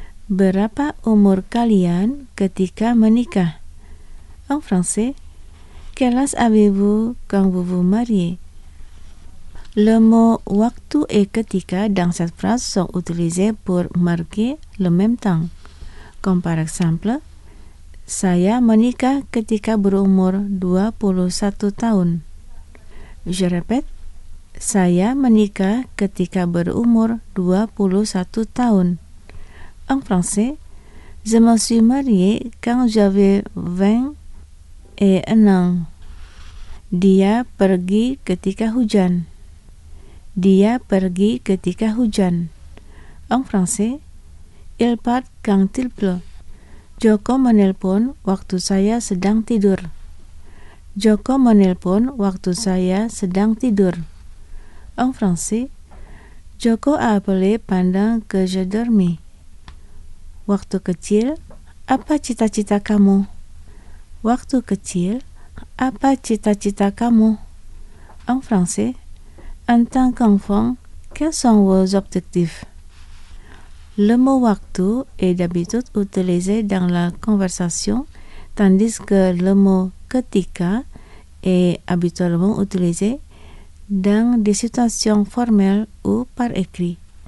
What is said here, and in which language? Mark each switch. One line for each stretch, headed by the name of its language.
Indonesian: Berapa umur kalian ketika menikah?
French: En français, quel âge avez-vous quand vous vous mariez? Le mot waktu et ketika dans cette phrase sont utilisés pour marquer le même temps. Comme par exemple,
Indonesian: saya menikah ketika berumur 21 tahun.
French: Je répète,
Indonesian: saya menikah ketika berumur 21 tahun.
French: En français, je me suis mariée quand j'avais 21 ans.
Indonesian: Dia pergi ketika hujan. Dia pergi ketika hujan.
French: En français, il part quand il pleut.
Indonesian: Joko menelpon waktu saya sedang tidur. Joko menelpon waktu saya sedang tidur.
French: En français, Joko a appelé pendant que je dormis.
Indonesian: Waktu kecil, apa cita-cita kamu? Waktu kecil, Apa cita-cita kamu?
French: En français, en tant qu'enfant, quels sont vos objectifs? Le mot waktu est d'habitude utilisé dans la conversation, tandis que le mot ketika est habituellement utilisé dans des situations formelles ou par écrit.